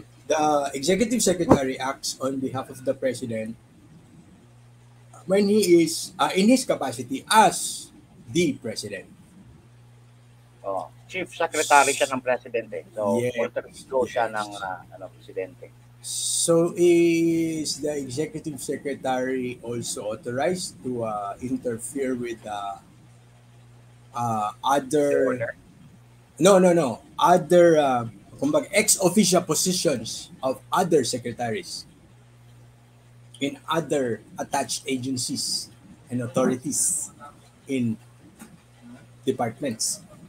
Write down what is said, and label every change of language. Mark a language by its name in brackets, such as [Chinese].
[English] The executive secretary acts on behalf of the president when he is in his capacity as the president. [Filipino] Oh, chief secretary siya ng presidente. So, yes, alter ego siya ng presidente. [English] So is the executive secretary also authorized to interfere with other ex officio positions of other secretaries in other attached agencies and authorities in departments?